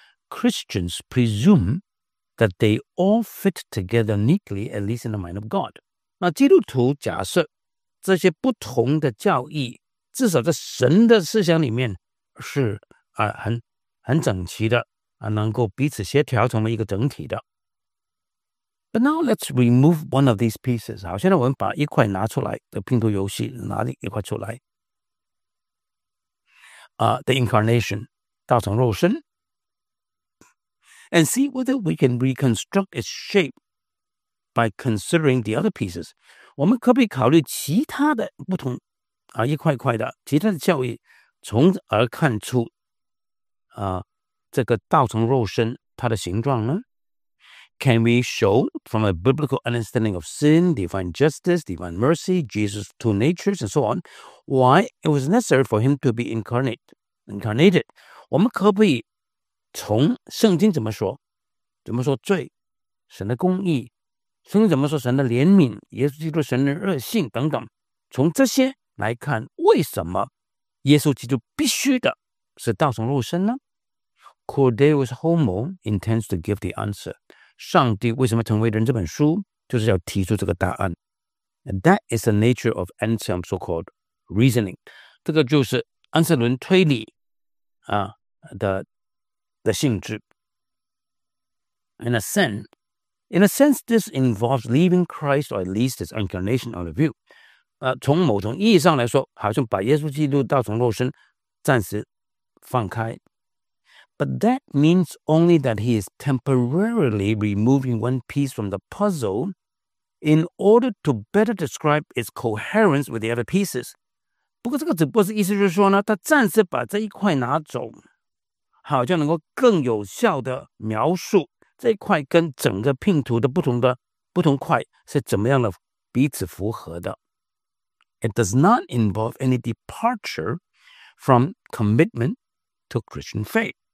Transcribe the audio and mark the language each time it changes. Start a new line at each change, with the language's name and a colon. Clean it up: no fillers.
English: Christians presume that they all fit together neatly at least in the mind of God
Chinese: 那基督徒假设这些不同的教义至少在神的思想里面是很整齐的能够彼此协调成为一个整体的。
English: But now let's remove one of these pieces.
Chinese: 好现在我们把一块拿出来的拼图游戏拿一块出来。
English: The incarnation, 道成肉身。 And see whether we can reconstruct its shape by considering the other pieces.
Chinese: 我们可不可以考虑其他的不同啊，一块块的其他的教义，从而看出啊这个道成肉身它的形状呢？
English: Can we show from a biblical understanding of sin, divine justice, divine mercy, Jesus' two natures, and so on, why it was necessary for him to be incarnated?
Chinese: 我们可不可以从圣经怎么说？怎么说罪？神的公义？圣经怎么说神的怜悯？耶稣基督神的恶性等等？从这些来看，为什么耶稣基督必须的是道成肉身呢？
English: Cordeus Homo intends to give the answer.
Chinese: 上帝为什么成为人这本书就是要提出这个答案。
English: And that is the nature of Anselm's so-called reasoning.
Chinese: 这个就是安瑟伦推理、啊、的性质。
English: In a sense, this involves leaving Christ or at least his incarnation out of view.、
Chinese: 啊、从某种意义上来说好像把耶稣基督道成肉身暂时放开。
English: But that means only that he is temporarily removing one piece from the puzzle in order to better describe its coherence with the other pieces.
Chinese: 不过这个只不过是意思就是说呢，他暂时把这一块拿走，好像能够更有效地描述这一块跟整个拼图的不同块是怎么样的彼此符合的。
English: It does not involve any departure from commitment to Christian faith.